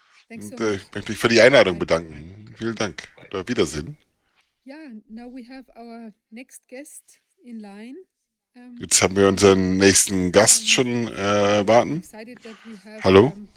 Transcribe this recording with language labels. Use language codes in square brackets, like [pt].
[de] Und, ich möchte mich für die Einladung bedanken. Vielen Dank. Auf Wiedersehen. [en] Ja, now we have our next guest in line. [de] Jetzt haben wir unseren nächsten Gast schon warten. Hallo.